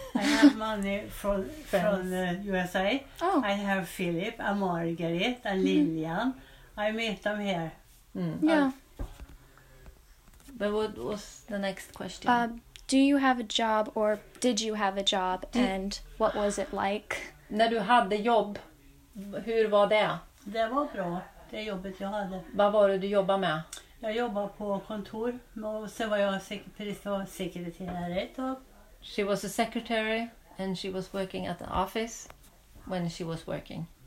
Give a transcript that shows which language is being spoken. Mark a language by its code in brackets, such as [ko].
[en] I have money from the USA. Oh. I have Philip, and Margaret, and Lillian. I meet them here. Mm. Yeah. But what was the next question? Do you have a job or did you have a job and what was it like? [sv] När du hade jobb, hur var det? Det var bra, det jobbet jag hade. Vad var det du jobbade med? Jag jobbade på kontor och sen var jag sekreterare ett tag. [en] She was a secretary and she was working at the office when she was working.